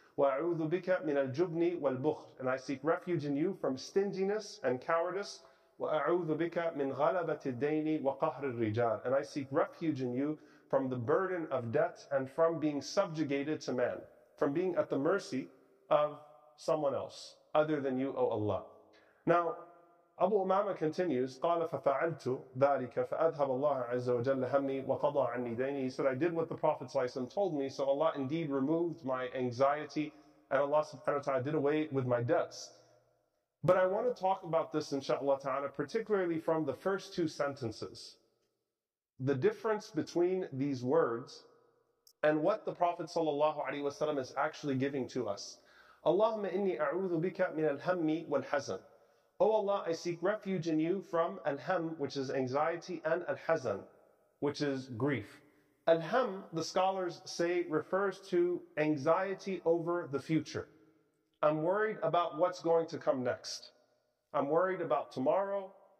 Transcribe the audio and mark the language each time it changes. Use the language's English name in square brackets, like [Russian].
[Arabic] Wa a'udhu bika min al-jubni wal-bukhl. [English] And I seek refuge in you from stinginess and cowardice. [Arabic] Wa a'udhu bika min ghalabati al-dayni wa qahri al-rijal. [English] And I seek refuge in you from the burden of debt and from being subjugated to man, from being at the mercy of someone else other than you, O Allah. Now, Abu Umama continues, [Arabic] قَالَ فَفَعَلْتُ ذَٰلِكَ فَأَذْهَبَ اللَّهُ عَزَّ وَجَلَّ هَمِّي وَقَضَى عَنِّي دَيْنِي. [English] He said, I did what the Prophet ﷺ told me, so Allah indeed removed my anxiety, and Allah subhanahu wa ta'ala did away with my debts. But I want to talk about this, inshaAllah ta'ala, particularly from the first two sentences. The difference between these words and what the Prophet ﷺ is actually giving to us. [Arabic] اللهم إني أعوذ بك من الهم والحزن. [English] Oh Allah, I seek refuge in you from al-ham, which is anxiety, and al-hazan, which is grief. Al-ham, the scholars say, refers to anxiety over the future. I'm worried about what's going to come next. I'm worried about tomorrow.